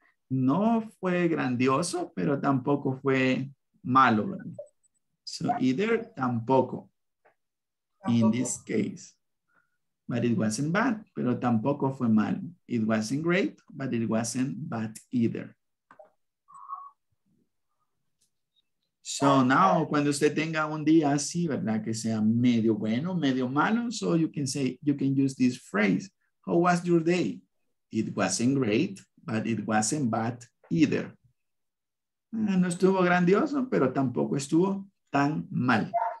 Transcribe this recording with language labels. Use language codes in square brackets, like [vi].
[es] No fue grandioso, pero tampoco fue malo. [en] So either tampoco, in this case. But it wasn't bad, [es] pero tampoco fue mal. [en] It wasn't great, but it wasn't bad either. So now, [es] cuando usted tenga un día así, ¿verdad? Que sea medio bueno, medio malo. [en] So you can say, you can use this phrase. How was your day? It wasn't great, but it wasn't bad either. [es] No estuvo grandioso, pero tampoco estuvo tan mal.